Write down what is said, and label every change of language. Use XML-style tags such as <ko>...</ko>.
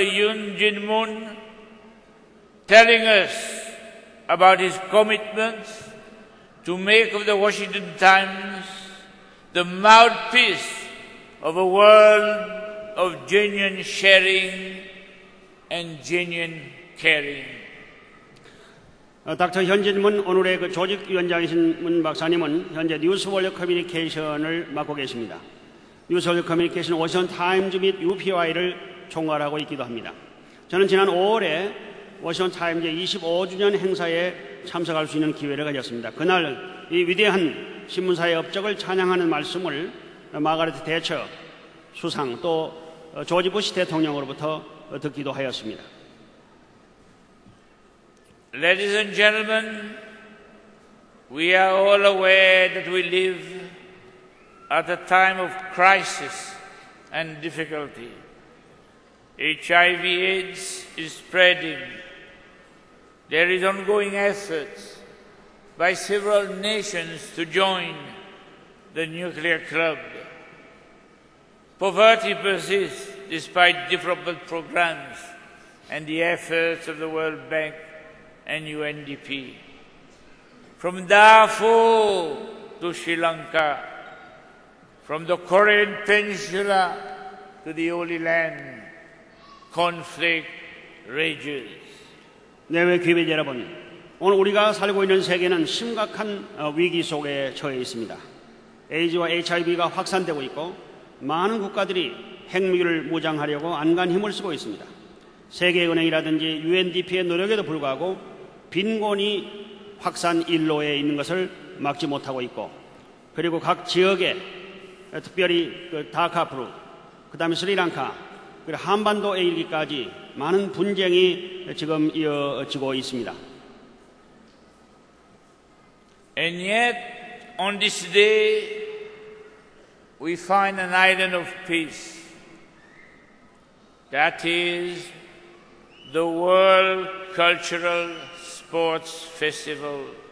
<en>Yeon Jin Moon telling us about his commitment to make of the Washington Times the mouthpiece of a world of genuine sharing and genuine caring. Dr.</en> <ko>현진 문, 오늘의 그 조직위원장이신 문 박사님은 현재 뉴스월드 커뮤니케이션을 맡고 계십니다. 뉴스월드 커뮤니케이션 워싱턴 타임즈 및 UPY를 총괄하고 있기도 합니다. 저는 지난 5월에 워싱턴 타임즈의 25주년 행사에 참석할 수 있는 기회를 가졌습니다. 그날 이 위대한 신문사의 업적을 찬양하는 말씀을 마가렛 대처 수상 또 조지 부시 대통령으로부터 듣기도 하였습니다.</ko> <en>Ladies and gentlemen, we are all aware that we live at a time of crisis and difficulty. HIV/AIDS is spreading. There is ongoing efforts by several nations to join the nuclear club. Poverty persists despite development programs and the efforts of the World Bank and UNDP. From Darfur to Sri Lanka, from the Korean Peninsula to the Holy Land, conflict rages.</en> <ko>내외 귀빈 여러분, 오늘 우리가 살고 있는 세계는 심각한 위기 속에 처해 있습니다. 에이즈와 HIV가 확산되고 있고 많은 국가들이 핵무기를 무장하려고 안간 힘을 쓰고 있습니다. 세계은행이라든지 UNDP의 노력에도 불구하고 빈곤이 확산 일로에 있는 것을 막지 못하고 있고 그리고 각 지역에 특별히 그 다카프루, 그 다음에 스리랑카, 그리고 한반도에 이르기까지 많은 분쟁이 지금 이어지고 있습니다.</ko> <en>And yet, On this day, we find an island of peace. That is the World Cultural Sports Festival.</en>